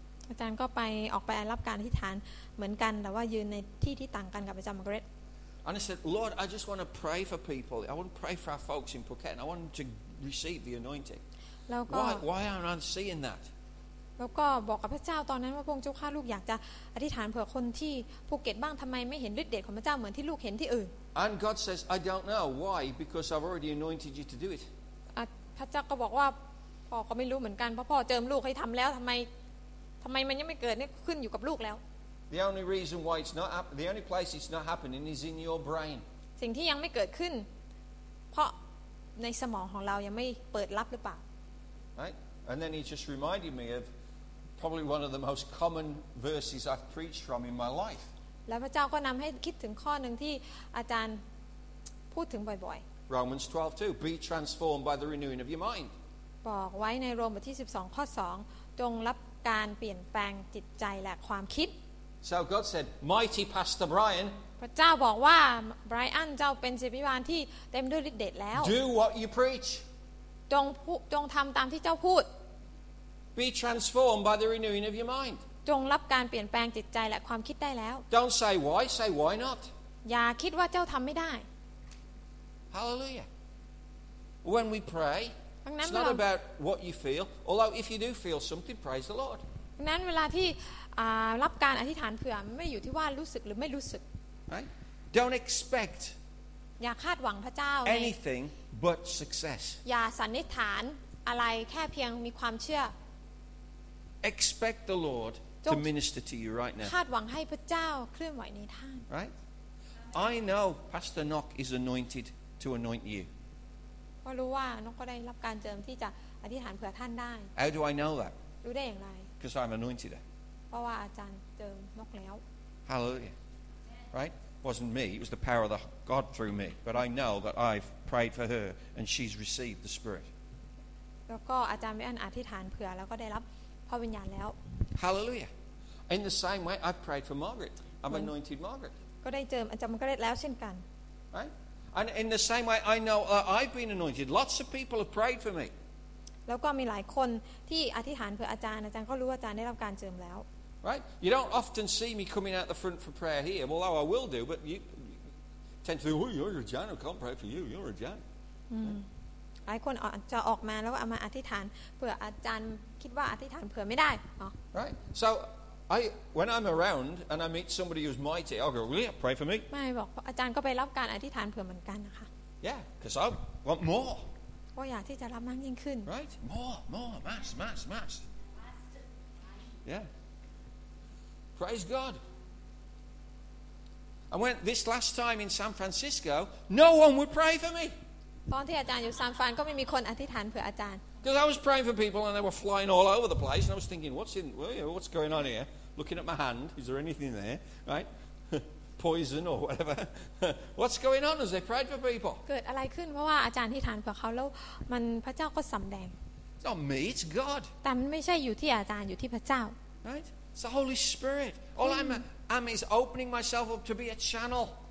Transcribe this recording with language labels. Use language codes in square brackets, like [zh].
[th] อาจารย์ก็ไปออกไปรับการอธิษฐานเหมือนกันแต่ว่ายืนในที่ที่ต่างกันกับอาจารย์มาร์เกรต [en] And I said Lord I just want to pray for people I want to pray for our folks in Phuket and I want them to receive the anointing [th] แล้วก็ [en] Why aren't I seeing that [th] แล้วก็บอกกับพระเจ้าตอนนั้นว่าพระองค์เจ้าข้าลูกอยากจะอธิษฐานเผื่อคนที่ภูเก็ตบ้างทำไมไม่เห็นฤทธิ์เดชของพระเจ้าเหมือนที่ลูกเห็นที่อื่น [en] And God says, I don't know why, because I've already anointed you to do it. [th] พระเจ้าก็บอกว่าพ่อก็ไม่รู้เหมือนกันเพราะพ่อเจิมลูกให้ทำแล้วทำไมมันยังไม่เกิดนี่ขึ้นอยู่กับลูกแล้ว [en] The only reason why it's not the only place it's not happening is in your brain. [th] สิ่งที่ยังไม่เกิดขึ้นเพราะในสมองของเรายังไม่เปิดรับหรือเปล่า [en] Right? And then he just reminded me of probably one of the most common verses I've preached from in my life. [th] แล้วพระเจ้าก็นำให้คิดถึงข้อนึงที่อาจารย์พูดถึงบ่อย [en] ๆ Romans 12:2 Be transformed by the renewing of your mind. [th] บอกไว้ในโรมบทที่12ข้อ2จงรับการเปลี่ยนแปลงจิตใจและความคิด [en] So God said, "Mighty Pastor Brian." [th] พระเจ้าบอกว่าไบรอันเจ้าเป็นศิษย์อภิบาลที่เต็มด้วยฤทธิ์เดชแล้ว [en] Do what you preach. [th] จงทำตามที่เจ้าพูด [en] Be transformed by the renewing of your mind. [th] จงรับการเปลี่ยนแปลงจิตใจและความคิดได้แล้ว [en] Don't say why, say why not. [th] อย่าคิดว่าเจ้าทำไม่ได้ [en] Hallelujah. When we pray, it's not about what you feel. Although if you do feel something, praise the Lord. [th] นั้นเวลาที่รับการอธิษฐานเผื่อไม่อยู่ที่ว่ารู้สึกหรือไม่รู้สึก [en] Right? Don't expect. [th] อย่าคาดหวังพระเจ้า [en] Anything but success. [th] อย่าสันนิษฐานอะไรแค่เพียงมีความเชื่อ [en] Expect the Lord to minister to you right now. [th] คาดหวังให้พระเจ้าเคลื่อนไหวในท่าน [en] Right? I know Pastor Nock is anointed to anoint you. [th] ก็รู้ว่านกก็ได้รับการเจิมที่จะอธิษฐานเผื่อท่านได้ [en] How do I know that? [th] รู้ได้อย่างไร [en] Because I'm anointed. [th] เพราะว่าอาจารย์เจิมนกแล้ว [en] Hallelujah. Right? It wasn't me. It was the power of the God through me. But I know that I've prayed for her and she's received the Spirit. [th] แล้วก็อาจารย์ไม่อันอธิษฐานเผื่อแล้วก็ได้รับพระวิญญาณแล้ว [en] Hallelujah In the same way I've prayed for Margaret I've anointed Margaret [th] ก็ได้เจิมอาจารย์มาเกร็ดแล้วเช่นกัน [en] Right And in the same way I know I've been anointed lots of people have prayed for me [th] แล้วก็มีหลายคนที่อธิษฐานเพื่ออาจารย์อาจารย์ก็รู้ว่าอาจารย์ได้รับการเจิมแล้ว [en] Right You don't often see me coming out the front for prayer here although I will do but you tend to think oh you're a Jan I can't pray for you you're a Jan [th] หลายคนจะออกมาแล้วก็มาอธิษฐานเผื่ออาจารย์คิดว่าอธิษฐานเผื่อไม่ได้ [en] Right so I when I'm around and I meet somebody who's mighty I'll go really pray for me [th] ไม่บอกอาจารย์ก็ไปรับการอธิษฐานเผื่อเหมือนกันนะคะ [en] Yeah because I want more [th] ก็อยากที่จะรับมากยิ่งขึ้น [en] Right more mass Yeah praise God I went this last time in San Francisco no one would pray for me [th] ตอนที่อาจารย์อยู่ซานฟรานก็ไม่มีคนอธิษฐานเผื่ออาจารย์ [en] Because I was praying for people and they were flying all over the place and I was thinking what's going on here looking at my hand is there anything there right poison or whatever what's going on as they prayed for people [th] เกิดอะไรขึ้นเพราะว่าอาจารย์อธิษฐานเผื่อเขาแล้วมันพระเจ้าก็สำแดง [en] Not me it's God [th] แต่มันไม่ใช่อยู่ที่อาจารย์อยู่ที่พระเจ้า [en] Right it's the Holy Spirit all I'm is opening myself up to be a channel